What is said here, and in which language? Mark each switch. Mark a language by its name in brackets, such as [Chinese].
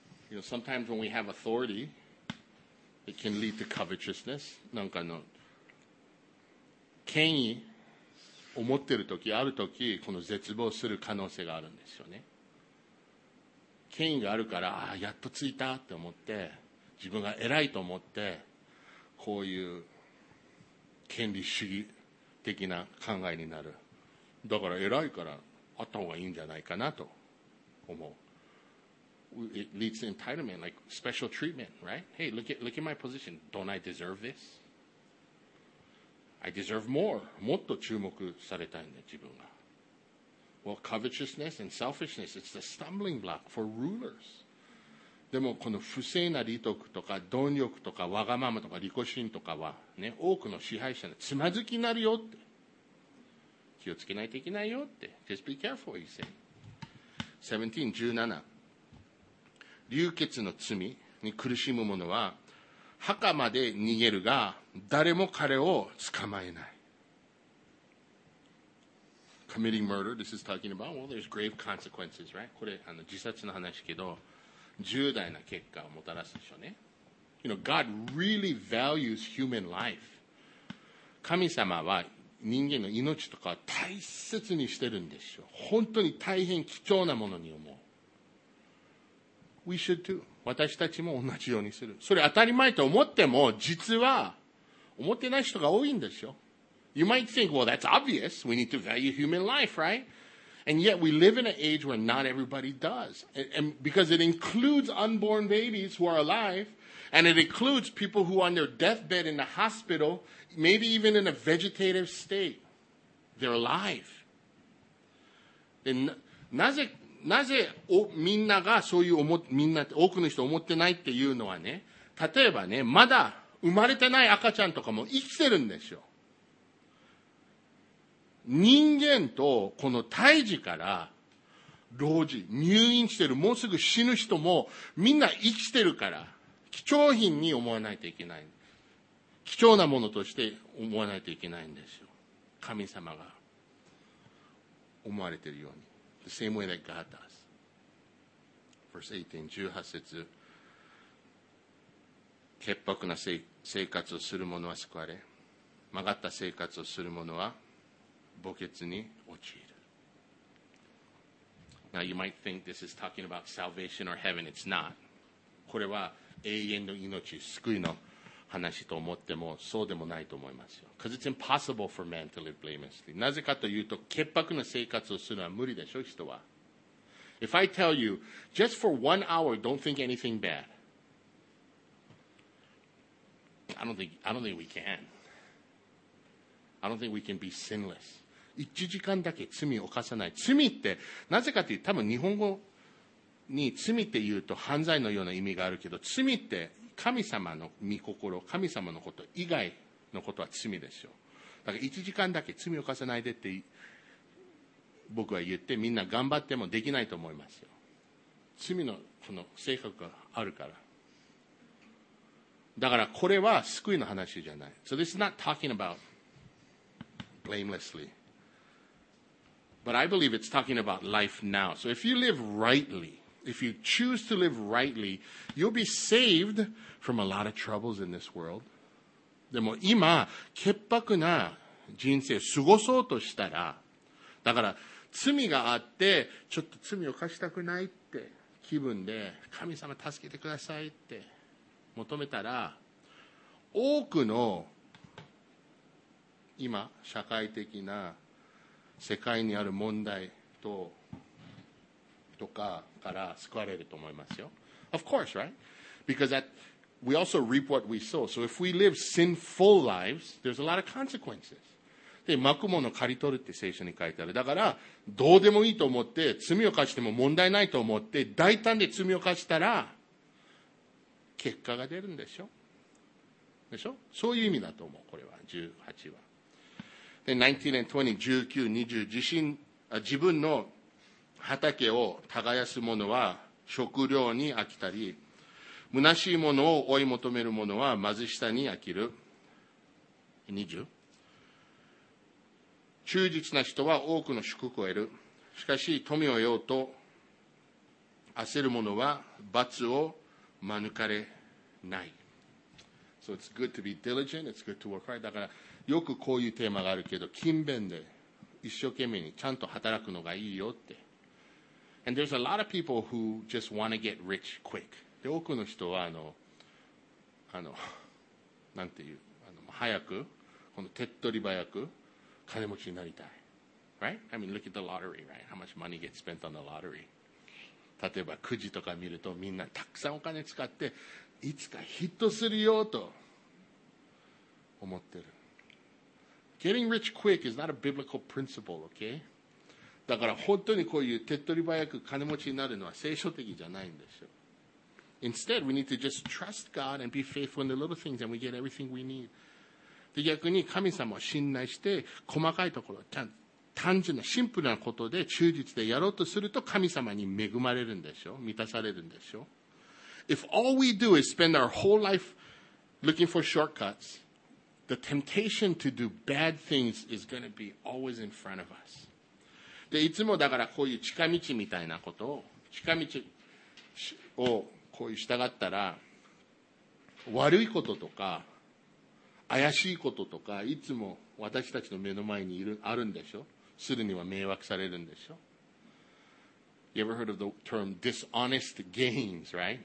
[English] You know, sometimes when we have authority,It can lead to covetousness. [Japanese] なんかの権威を持ってるとき、あるとき、この絶望する可能性があるんですよね。権威があるから、ああ、やっとついたって思って、自分が偉いと思って、こういう権利主義的な考えになる。だから偉いから、あった方がいいんじゃないかなと思う。 [English] It leads to entitlement, like special treatment, right? Hey, look at my position. Don't I deserve this? I deserve more. [Japanese] もっと注目されたいんだ、自分が。 [English] Well, covetousness and selfishness, it's the stumbling block for rulers. [Japanese] でもこの不正な利得とか貪欲とかわがままとか利己心とかはね、多くの支配者のつまずきになるよって。気をつけないといけないよって。 [English] Just be careful, he said. 17, 17。 [Japanese] 流血の罪に苦しむ者は墓まで逃げるが、誰も彼を捕まえない。 [English] Committing murder, this is talking about, well, there's grave consequences, right? [Japanese] これ、自殺の話けど、重大な結果をもたらすでしょうね。 [English] You know, God really values human life. [Japanese] 神様は人間の命とかを大切にしてるんですよ。本当に大変貴重なものに思う。 [English] We should too. [Japanese] 私たちも同じようにする。それ当たり前と思っても、実は思ってない人が多いんですよ。 [English] You might think, well, that's obvious. We need to value human life, right? And yet we live in an age where not everybody does. And because it includes unborn babies who are alive, and it includes people who are on their deathbed in the hospital, maybe even in a vegetative state. They're alive. [Japanese] なぜみんながそういう思みんな多くの人思ってないっていうのはね、例えばね、まだ生まれてない赤ちゃんとかも生きてるんですよ。人間とこの胎児から老人、入院してる、もうすぐ死ぬ人もみんな生きてるから、貴重品に思わないといけない、貴重なものとして思わないといけないんですよ。神様が思われてるように、 [English] The same way that God does. Verse 18, [Japanese] 18節、潔白な生活をする者は救われ、曲がった生活をする者は墓穴に陥る。 [English] Now you might think this is talking about salvation or heaven. It's not. [Japanese] これは永遠の命、救いの話と思っても、そうでもないと思いますよ。 [English] Because it's impossible for man to live blamelessly. [Japanese] なぜかというと、潔白な生活をするのは無理でしょ、人は。 [English] If I tell you, just for one hour, don't think anything bad. I don't think we can. I don't think we can be sinless. [Japanese] 1時間だけ罪を犯さない。罪って、なぜかというと、多分日本語に罪って言うと犯罪のような意味があるけど、罪って神様の御心、神様のこと以外のことは罪ですよ。だから1時間だけ罪を犯さないでって僕は言ってみんな頑張ってもできないと思いますよ。罪のこの性格があるから。だからこれは救いの話じゃない。 [English] So this is not talking about blamelessly, but I believe it's talking about life now. So if you live rightly, if you choose to live rightly, you'll be saved from a lot of troubles in this world. [Japanese] でも今潔白な人生を過ごそうとしたら、だから罪があってちょっと罪を犯したくないって気分で神様助けてくださいって求めたら、多くの今社会的な世界にある問題とかから救われると思いますよ。 [English] Of course, right? Because that, we also reap what we sow. So if we live sinful lives, there's a lot of consequences. [Japanese] で、まくもの刈り取るって聖書に書いてある。だからどうでもいいと思って罪を犯しても問題ないと思って大胆で罪を犯したら結果が出るんでしょ。でしょ。そういう意味だと思う。これは18は。で、 [English] 19 and 20、 [Japanese] 19、20、自分の畑を耕す者は食料に飽きたり、虚しいものを追い求める者は貧しさに飽きる。 20。忠実な人は多くの祝福を得る。しかし富を得ようと焦る者は罰を免れない。 [English] So it's good to be diligent, it's good to work hard. [Japanese] だからよくこういうテーマがあるけど、勤勉で一生懸命にちゃんと働くのがいいよって。 [English] And there's a lot of people who just want to get rich quick. [Japanese] で、多くの人はなんていう、早く、この手っ取り早く金持ちになりたい。 [English] Right? I mean, look at the lottery, right? How much money gets spent on the lottery. [Japanese] 例えばくじとか見るとみんなたくさんお金使っていつかヒットするよと思ってる。 [English] Getting rich quick is not a biblical principle, okay? [Japanese] だから本当にこういう手っ取り早く金持ちになるのは聖書的じゃないんですよ。 [English] Instead, we need to just trust God and be faithful in the little things and we get everything we need. [Japanese] で、逆に神様を信頼して細かいところ、単純なシンプルなことで忠実でやろうとすると神様に恵まれるんでしょ？満たされるんでしょ？ [English] If all we do is spend our whole life looking for shortcuts,The temptation to do bad things is going to be always in front of us. [Japanese] で、いつもだからこういう近道みたいなことを、近道をこういう従ったら、悪いこととか、怪しいこととか、いつも私たちの目の前にいるあるんでしょ？するには迷惑されるんでしょ？ [English] You ever heard of the term dishonest gains, right?